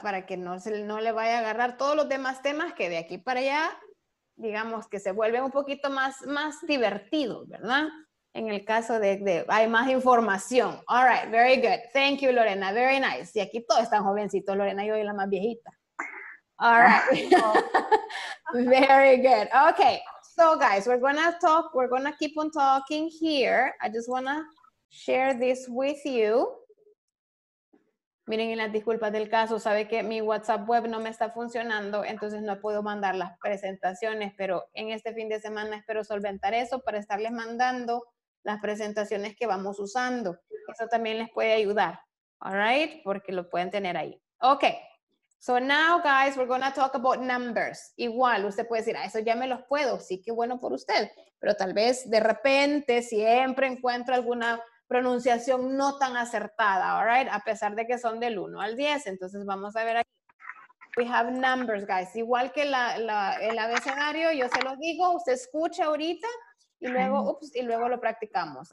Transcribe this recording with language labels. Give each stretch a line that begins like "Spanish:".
Spanish: Para que no le vaya a agarrar todos los demás temas que de aquí para allá, digamos que se vuelven un poquito más divertidos, ¿verdad? En el caso de hay más información.
English: All right, very good. Thank you, Lorena. Very nice.
Spanish: Y aquí todos están jovencitos, Lorena, yo soy la más viejita.
English: All right. Very good. Okay. So, guys, we're going to keep on talking here. I just want to share this with you.
Spanish: Miren, y las disculpas del caso, sabe que mi WhatsApp web no me está funcionando, entonces no puedo mandar las presentaciones, pero en este fin de semana espero solventar eso para estarles mandando las presentaciones que vamos usando. Eso también les puede ayudar, all right? Porque lo pueden tener ahí.
English: Okay, so now guys, we're going to talk about numbers.
Spanish: Igual, usted puede decir, ah, eso ya me los puedo, sí, qué bueno por usted, pero tal vez de repente siempre encuentro alguna pronunciación no tan acertada, all right? A pesar de que son del 1 al 10. Entonces, vamos a ver aquí.
English: We have numbers, guys.
Spanish: Igual que el abecedario, yo se los digo, usted escucha ahorita y luego, ups, y luego lo practicamos.